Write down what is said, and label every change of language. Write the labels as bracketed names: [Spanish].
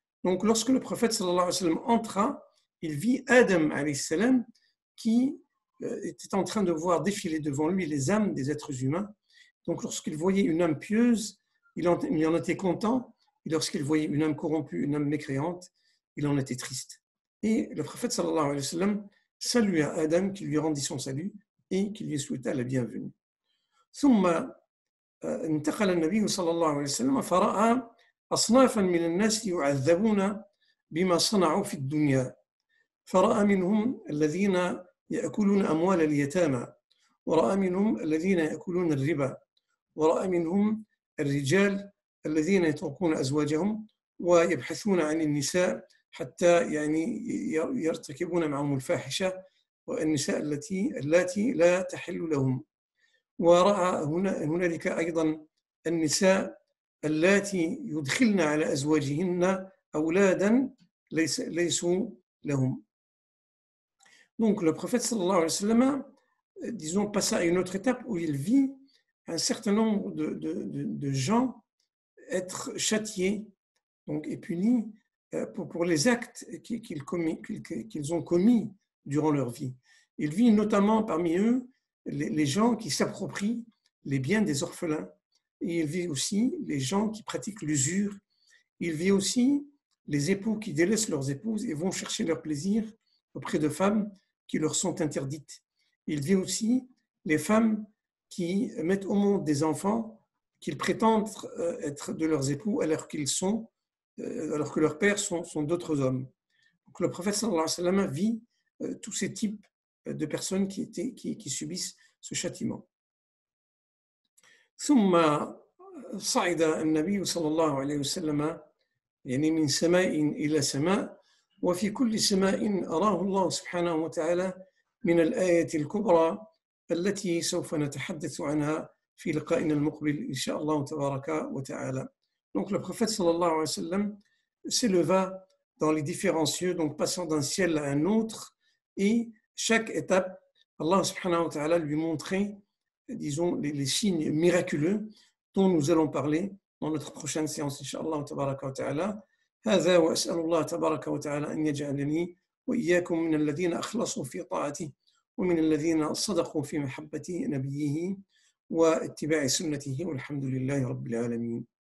[French] Donc lorsque le prophète sallallahu alayhi wa sallam entra, il vit Adam alayhi sallam qui était en train de voir défiler devant lui les âmes des êtres humains. Donc lorsqu'il voyait une âme pieuse, il en était content, et lorsqu'il voyait une âme corrompue, une âme mécréante, il en était triste. Et le prophète sallallahu alayhi wa sallam salua Adam qui lui rendit son salut et qui lui souhaita la bienvenue. [Arabic] ثم انتقل النبي صلى الله عليه وسلم فرأى أصنافا من الناس يعذبون بما صنعوا في الدنيا، فرأى منهم الذين يأكلون أموال اليتامى، ورأى منهم الذين يأكلون الربا، ورأى منهم الرجال الذين يتركون أزواجهم ويبحثون عن النساء حتى يعني يرتكبون معهم الفاحشة، والنساء التي لا تحل لهم، ورأى هنالك أيضا النساء التي يدخلن على أزواجهن أولادا ليسوا لهم. [French] Donc le prophète sallallahu alayhi wa sallam disons passa à une autre étape où il vit un certain nombre de gens être châtiés donc et punis pour les actes qu'ils ont commis durant leur vie. Il vit notamment parmi eux les gens qui s'approprient les biens des orphelins. Et il vit aussi les gens qui pratiquent l'usure. Il vit aussi les époux qui délaissent leurs épouses et vont chercher leur plaisir auprès de femmes qui leur sont interdites. Il vit aussi les femmes qui mettent au monde des enfants qu'ils prétendent être de leurs époux alors que leurs pères sont d'autres hommes. Donc le prophète sallallahu alayhi wa sallam vit tous ces types de personnes qui subissent ce châtiment. [Arabic] ثم صعد النبي صلى الله عليه وسلم يعني من سماء إلى سماء، وفي كل سماء أراه الله سبحانه وتعالى من الآية الكبرى التي سوف نتحدث عنها في لقائنا المقبل إن شاء الله تبارك وتعالى. [French] Donc le prophète [Arabic] صلى الله عليه وسلم [French] s'éleva dans les différents cieux, donc passant d'un ciel à un autre, et chaque étape, Allah subhanahu wa ta'ala lui montrait, disons, les signes miraculeux dont nous allons parler dans notre prochaine séance, inshallah tabaraka wa ta'ala. [Arabic] هذا وأسأل الله تبارك وتعالى أن يجعلني وإياكم من الذين أخلصوا في طاعته ومن الذين صدقوا في محبة نبيه واتباع سنته والحمد لله رب العالمين.